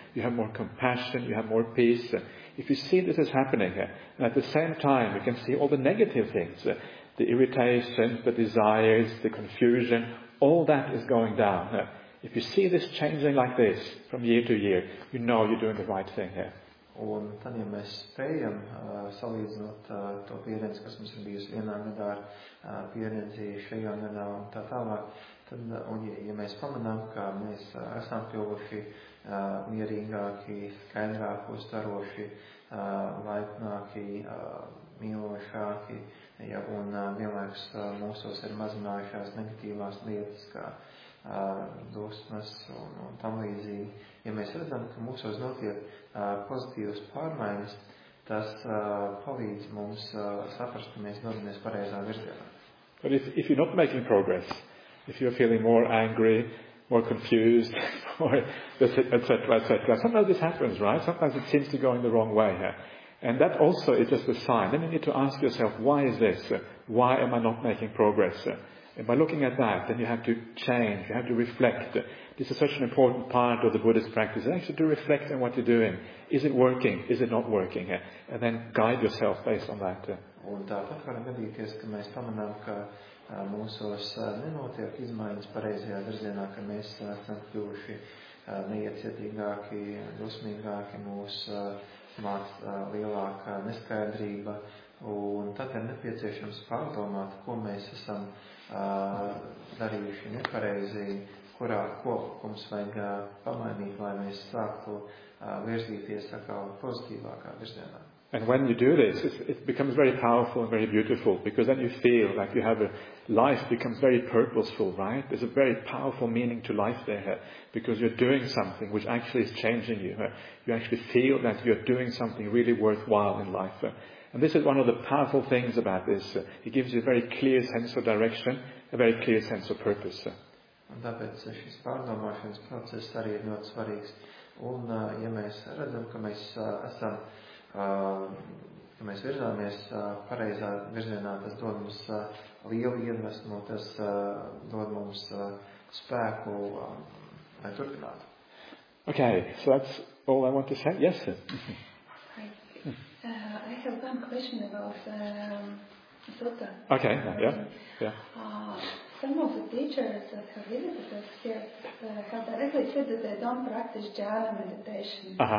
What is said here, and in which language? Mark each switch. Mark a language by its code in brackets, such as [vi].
[en] You have more compassion. You have more peace. If you see this is happening, and at the same time, you can see all the negative things, the irritation, the desires, the confusion, all that is going down. If you see this changing like this from year to year, you know you're doing the right thing here. [lv] Un tad, ja mēs spējam salīdzinot to pieredzi, kas mums ir bijusi vienā gadā ar pieredzi šajā gadā un tā tālāk, tad, un ja mēs pamanām, ka mēs esam kļuvuši mierīgāki, skaidrāki, uztaroši, laipnāki, mīlošāki, ja, un vienlaiks mūsos ir mazinājušās negatīvās lietas, kā dusmas un tamlīdzīgi. Ja mēs redzam, ka mūsos notiek pozitīvas pārmaiņas, tas palīdz mums saprast, ka mēs dodamies pareizā virzienā. [en] But if you're not making progress, if you're feeling more angry, more confused, et cetera, sometimes this happens, right? Sometimes it seems to go in the wrong way. And that also is just a sign. Then you need to ask yourself, why is this? Why am I not making progress? And by looking at that, then you have to change, you have to reflect. This is such an important part of the Buddhist practice, actually to reflect on what you're doing. Is it working? Is it not working? And then guide yourself based on that. [lv] Un tāpat varam gadīties, ka mēs pamanām, ka mūsos nenotiek izmaiņas pareizajā virzienā, ka mēs esam kļuvuši neiecietīgāki, dusmīgāki, mūs māc lielāka neskaidrība, un tad ir nepieciešams pārdomāt, ko mēs esam darījuši nepareizi, kurā mums vajag pamainīt, lai mēs sāktu virzīties atkal pozitīvākā virzienā. [en] And when you do this, it becomes very powerful and very beautiful, because then you feel like you have a life becomes very purposeful, right? There's a very powerful meaning to life there, because you're doing something which actually is changing you. You actually feel that you're doing something really worthwhile in life. And this is one of the powerful things about this. It gives you a very clear sense of direction, a very clear sense of purpose. [lv] Un tāpēc šis pārdomāšanas process arī ir ļoti svarīgs. Un ja mēs redzam, ka mēs esam ka mēs virzāmies pareizā virzienā, tas dod mums lielu iedvesmu, tas dod mums spēku, lai turpinātu. [en] Okay, so that's all I want to say. Yes, sir. I have one question about Sutta. Okay, yeah. Some of the teachers that have visited us here have directly said that they don't practice jhana meditation.